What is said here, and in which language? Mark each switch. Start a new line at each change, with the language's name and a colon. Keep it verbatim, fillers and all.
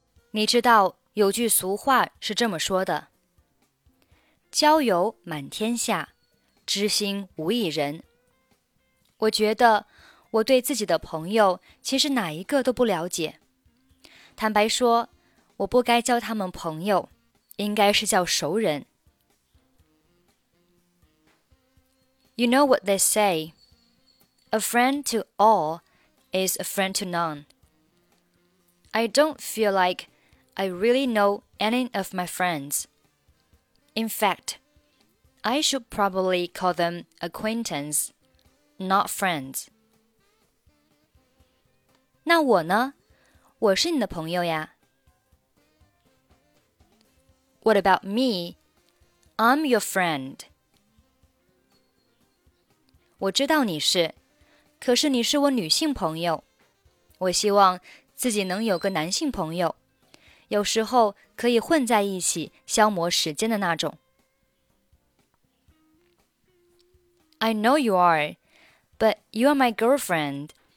Chinese: 你知道有句俗话是这么说的：交友满天下，知心无一人。我觉得我对自己的朋友其实哪一个都不了解。坦白说我不该叫他们朋友，应该是叫熟人。
English: You know what they say, a friend to all is a friend to none. I don't feel like I really know any of my friends. In fact, I should probably call them acquaintance, not friends.
Chinese: 那我呢？我是你的朋友呀。
English: What about me? I'm your friend.
Chinese: 我知道你是，可是你是我女性朋友。我希望自己能有个男性朋友，有时候可以混在一起消磨时间的那种。
English: I know you are, but you are my girlfriend.